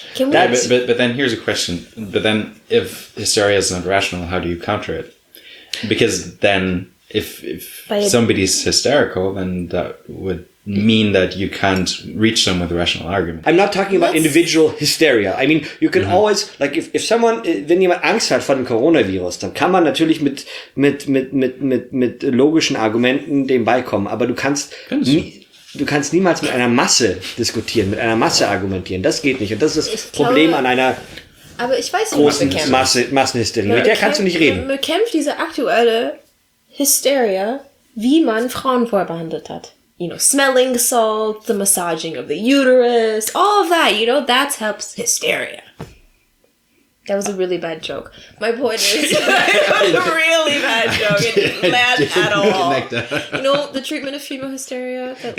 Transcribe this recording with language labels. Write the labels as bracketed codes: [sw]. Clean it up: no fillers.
[en] But then here's a question. But then if hysteria is not rational, how do you counter it? Because then if somebody's hysterical, then that would mean that you can't reach them with a rational argument. I'm not talking about individual hysteria. I mean, you can always, like, [de] wenn jemand Angst hat vor dem Coronavirus, dann kann man natürlich mit logischen Argumenten dem beikommen. Aber du kannst niemals mit einer Masse diskutieren, mit einer Masse argumentieren. Das geht nicht. Und das ist das Problem an einer... Aber ich weiß großen nicht, Massenhysterie. Mit der kannst du nicht reden. Man bekämpft diese aktuelle Hysteria, wie man Frauen vorher behandelt hat. [en] You know, smelling salt, the massaging of the uterus, all of that, you know, that helps hysteria. That was a really bad joke. My point is, it was a really bad joke. It didn't land at all. You know, the treatment of female hysteria?